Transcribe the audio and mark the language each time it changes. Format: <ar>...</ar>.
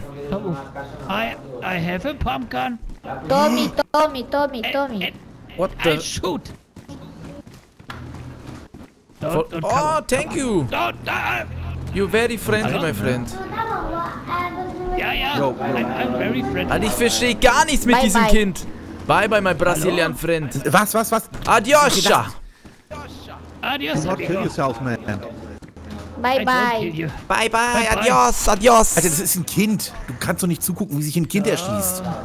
<en>Don't move. I have a pump gun. Tommy. What the? I shoot. Thank you. You're very friendly, my friend. Ja, I'm very friendly.</en> <de>Also ich verstehe gar nichts mit diesem Kind.</de> <en>Bye, my Brazilian friend.</en> <de>Was?</de> <es>Adios. Okay, adios.</es> <en>Do not kill yourself, man. Bye,</en> <es>adios.</es> <de>Alter, das ist ein Kind. Du kannst doch nicht zugucken, wie sich ein Kind erschießt.</de>